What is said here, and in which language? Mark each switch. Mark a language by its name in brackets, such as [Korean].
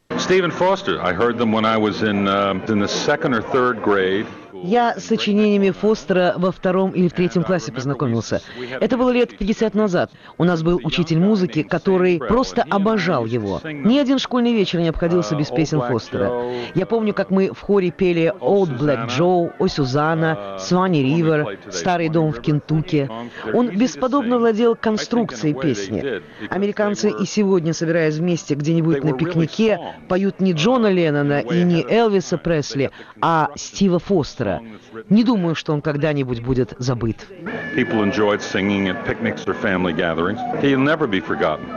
[Russian] Стивен Фостер, [English] I heard them when I was in the second or third grade. [Russian] Я с сочинениями Фостера во втором или в третьем классе познакомился. Это было лет 50 назад. У нас был учитель музыки, который просто обожал его. Ни один школьный вечер не обходился без песен Фостера. Я помню, как мы в хоре пели «Old Black Joe», «Ой, Сюзанна», «Свани Ривер», «Старый дом в Кентукки». Он бесподобно владел конструкцией песни. Американцы и сегодня, собираясь вместе где-нибудь на пикнике, поют не Джона Леннона и не Элвиса Пресли, а Стива Фостера. Не думаю, что он когда-нибудь будет забыт. [English] People enjoyed singing at picnics or family gatherings. He'll never be forgotten.